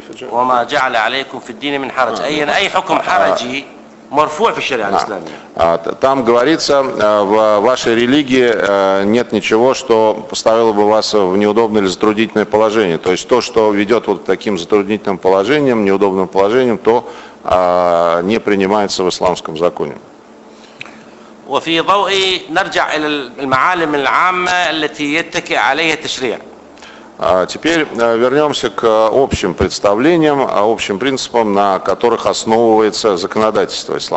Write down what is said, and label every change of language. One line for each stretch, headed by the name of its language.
Arabic: وما جعل عليكم في الدين من حرج. أي حكم حرجي مرفوع في الشريعة الإسلامية.
Russian: Там говорится, в вашей религии нет ничего, что поставило бы вас в неудобное или затруднительное положение. То есть то, что ведет вот к таким затруднительным положениям, неудобным положениям, то не принимается в исламском законе.
Arabic: وفي ضوء نرجع إلى المعالم العامة التي يتكي عليها التشريع.
Russian: Теперь вернемся к общим представлениям, общим принципам, на которых основывается законодательство